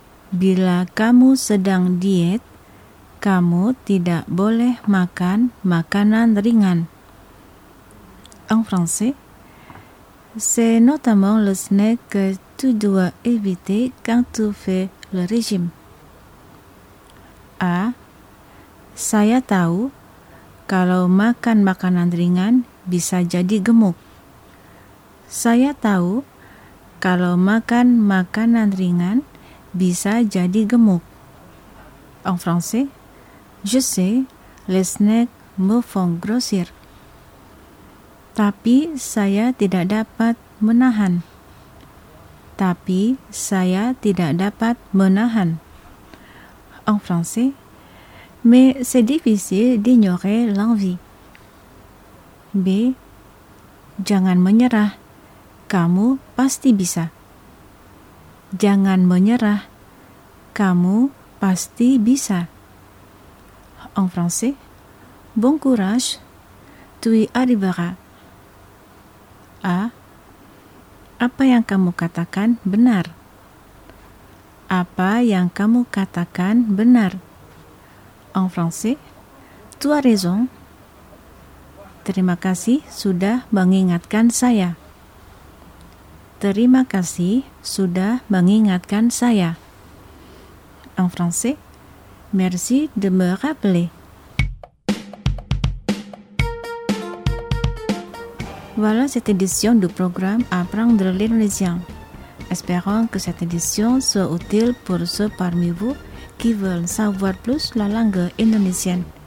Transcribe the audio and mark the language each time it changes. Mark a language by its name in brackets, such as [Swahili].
[Indonesian] Bila kamu sedang diet, kamu tidak boleh makan makanan ringan. [French] En français, c'est notamment le snack que tu dois éviter quand tu fais le régime. A. [Indonesian] Saya tahu kalau makan makanan ringan bisa jadi gemuk. Saya tahu kalau makan makanan ringan bisa jadi gemuk. [French] En français, je sais, les snacks me font grossir. [Indonesian] Tapi saya tidak dapat menahan. Tapi saya tidak dapat menahan. [French] En français, mais c'est difficile d'ignorer l'envie. B. [Indonesian] Jangan menyerah, kamu pasti bisa. Jangan menyerah, kamu pasti bisa. [French] En français, bon courage, tu y arriveras. A. [Indonesian] Apa yang kamu katakan benar? Apa yang kamu katakan benar? [French] En français, tu as raison. [Indonesian] Terima kasih sudah mengingatkan saya. Terima kasih sudah mengingatkan saya. [French] En français, merci de me rappeler. Voilà cette édition du programme Apprendre l'indonésien. Espérons que cette édition soit utile pour ceux parmi vous qui veulent savoir plus la langue indonésienne.